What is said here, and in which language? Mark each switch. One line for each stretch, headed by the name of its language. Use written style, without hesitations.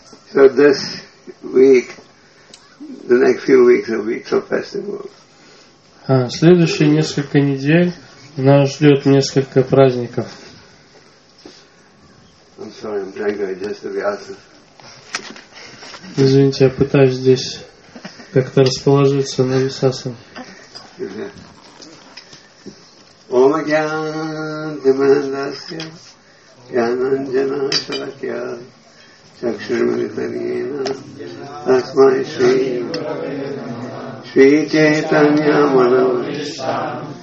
English: So this week, the next few weeks are weeks of festivals.
Russian: Следующие несколько недель нас ждет несколько праздников.
English: I'm sorry, I'm trying to adjust the reaction.
Russian: Извините, я пытаюсь здесь как-то расположиться на висасе.
Sanskrit: Om Gyanadimandasya Gyananjana Shakya Chakshurmanitaryena Asmai Shri Shri Chaitanya Manavrishtam